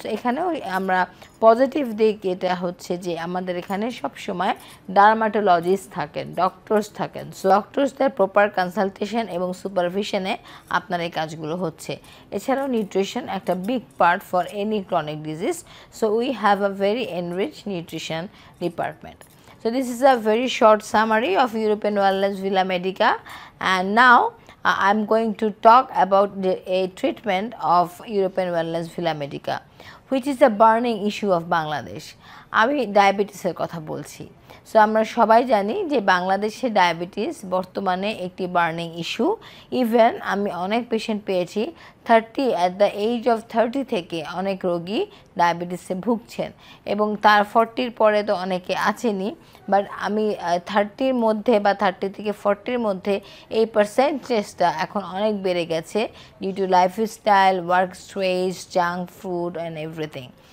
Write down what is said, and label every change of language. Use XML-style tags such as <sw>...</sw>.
<bn>এখানেও আমরা পজিটিভ দিক এটা হচ্ছে যে আমাদের এখানে সবসময় ডার্মাটোলজিস্ট থাকেন, ডক্টর্স থাকেন, সো ডক্টর্সদের প্রপার কনসালটেশন এবং সুপারভিশনে আপনার এই কাজগুলো হচ্ছে।</bn> <en>এছাড়াও নিউট্রিশন একটা big part for any chronic disease, so we have a very enrich nutrition department. So this is a very short summary of European Wellness Villa Medica and now I'm going to talk about a treatment of European Wellness Villa Medica, which is a burning issue of Bangladesh.</en> <bn>আমি ডায়াবেটিসের কথা বলছি। So আমরা সবাই জানি যে বাংলাদেশে diabetes বর্তমানে একটি বার্নিং ইস্যু। ইভেন আমি অনেক পেশেন্ট পেয়েছি</bn> <en>at the age of thirty</en> <bn>থেকে অনেক রোগী ডায়াবেটিসে ভুগছেন, এবং তার 40-র পরে তো অনেকে আছেনই, বাট আমি 30-র মধ্যে বা 30-40-র মধ্যে এই পার্সেন্টেজটা এখন অনেক বেড়ে গেছে</bn> <en>Due to lifestyle, work stress, junk food and everything.</en>